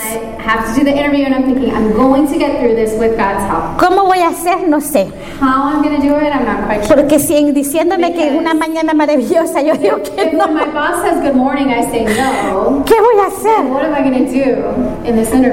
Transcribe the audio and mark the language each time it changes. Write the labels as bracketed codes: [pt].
[en] I have to do the interview and I'm thinking I'm going to get through this with God's help. [es] ¿Cómo voy a hacer? No sé. [en] How I'm going to do it, I'm not quite sure. [es] Porque si en diciéndome que una mañana maravillosa, yo digo que no. [en] When my boss says good morning, I say no. [es] ¿Qué voy a hacer? [en] What am I going to do in this interview?